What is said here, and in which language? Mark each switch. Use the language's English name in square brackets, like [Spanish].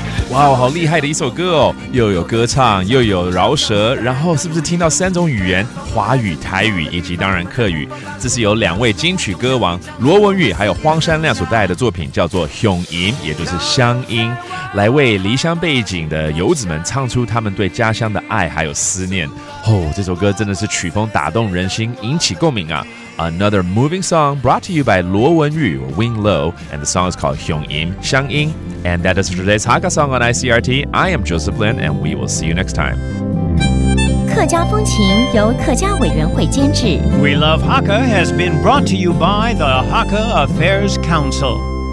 [Chinese] 哇、wow, 好厉害的一首歌哦，又有歌唱又有饶舌，然后是不是听到三种语言，华语、台语以及当然客语。这是由两位金曲歌王罗文宇还有荒山亮所带来的作品，叫做雄吟，也就是乡音，来为离乡背景的游子们唱出他们对家乡的爱还有思念。哦，这首歌真的是曲风打动人心，引起共鸣啊。 [English] Another moving song brought to you by Luo Wenyu, Wing Luo, and the song is called Hyung Im, Xiang Yin. And that is for today's Hakka song on ICRT. I am Joseph Lin, and we will see you next time. [Chinese] 客家风情由客家委员会监制。 [English] We Love Hakka has been brought to you by the Hakka Affairs Council.